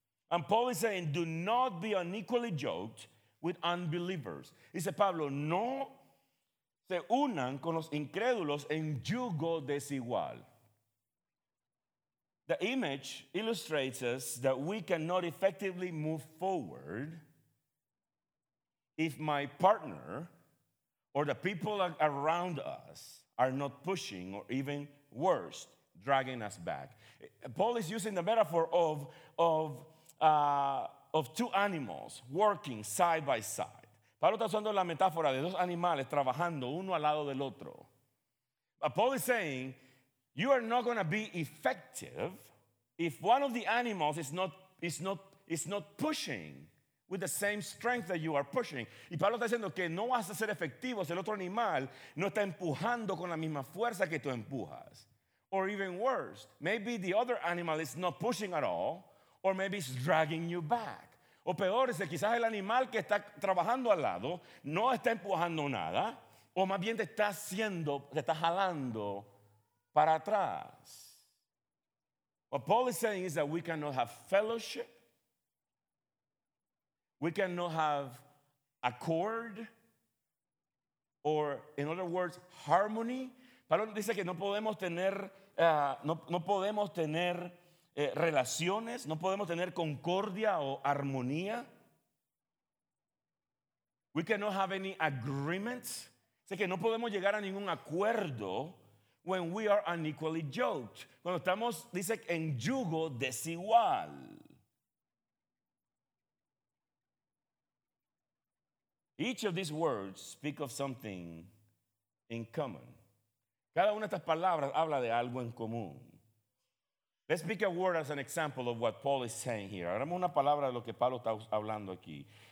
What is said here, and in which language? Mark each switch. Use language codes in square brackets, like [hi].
[en] And Paul is saying, do not be unequally yoked with unbelievers. [es] Dice Pablo, no se unan con los incrédulos en yugo desigual. [en] The image illustrates us that we cannot effectively move forward if my partner or the people around us are not pushing or even worse, dragging us back. Paul is using the metaphor of two animals working side by side. [es] Pablo está usando la metáfora de dos animales trabajando uno al lado del otro. [en] But Paul is saying, you are not going to be effective if one of the animals is not pushing with the same strength that you are pushing. [es] Y Pablo está diciendo que no vas a ser efectivo si el otro animal no está empujando con la misma fuerza que tú empujas. [en] Or even worse, maybe the other animal is not pushing at all, or maybe it's dragging you back. [es] O peor, es que quizás el animal que está trabajando al lado no está empujando nada, o más bien te está jalando para atrás. [en] What Paul is saying is that we cannot have fellowship. We cannot have accord. Or, in other words, harmony. [es] Pablo dice que no podemos tener relaciones, no podemos tener concordia o armonía. [en] We cannot have any agreements. [es] Sé que no podemos llegar a ningún acuerdo [en] when we are unequally yoked. [es] Cuando estamos, dice, en yugo desigual. [en] Each of these words speak of something in common. [es] Cada una de estas palabras habla de algo en común. [en] Let's pick a word as an example of what Paul is saying here. [es] Hagamos una palabra de lo que Pablo está hablando aquí.